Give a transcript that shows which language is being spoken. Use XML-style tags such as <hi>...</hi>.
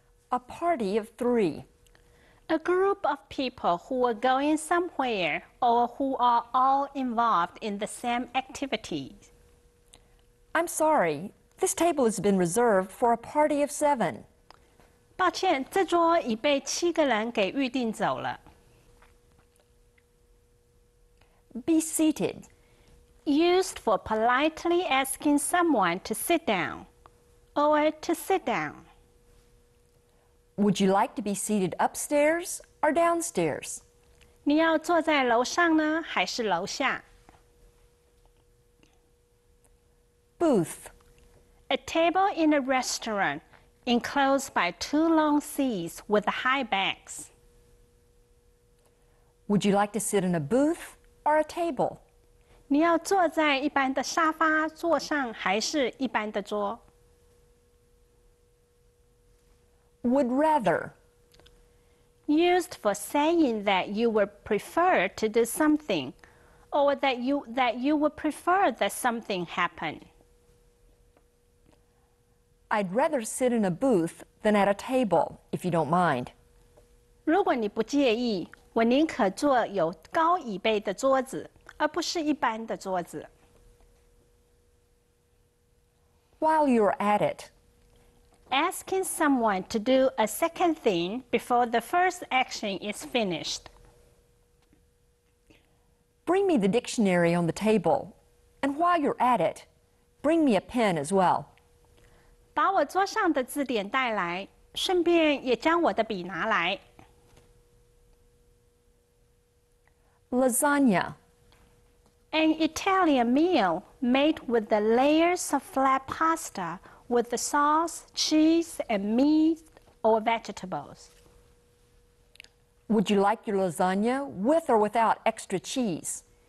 <en>A party of three. A group of people who are going somewhere or who are all involved in the same activities. I'm sorry, this table has been reserved for a party of seven.</en> <zh>抱歉，这桌已被七个人给预定走了。</zh> <en>Be seated. Used for politely asking someone to sit down or to sit down. Would you like to be seated upstairs or downstairs?</en> <zh>你要坐在楼上呢，还是楼下？</zh> <en>Booth. A table in a restaurant enclosed by two long seats with high backs. Would you like to sit in a booth or a table?</en> <zh>你要坐在一般的沙发坐上，还是一般的桌？</zh> <en>Would rather. Used for saying that you would prefer to do something, or that you would prefer that something happen. I'd rather sit in a booth than at a table, if you don't mind.</en> <zh>如果你不介意，我宁可坐有高椅背的桌子，而不是一般的桌子。</zh> <en>While you're at it. Asking someone to do a second thing before the first action is finished. Bring me the dictionary on the table, and while you're at it, bring me a pen as well.</en> <zh>把我桌上的字典带来，顺便也将我的笔拿来。</zh> <en>Lasagna. An Italian meal made with the layers of flat pasta. With the sauce, cheese, and meat or vegetables. Would you like your lasagna with or without extra cheese?</en>